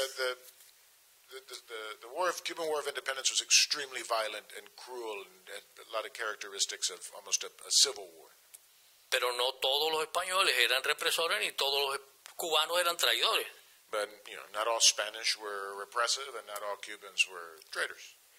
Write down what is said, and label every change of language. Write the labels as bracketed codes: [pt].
[en] The war of Cuban War of Independence was extremely violent and cruel and had a lot of characteristics of almost a civil war. [es] Pero no todos los españoles eran represores ni todos los cubanos eran traidores. [en] But, you know, not all Spanish were repressive and not all Cubans were traitors.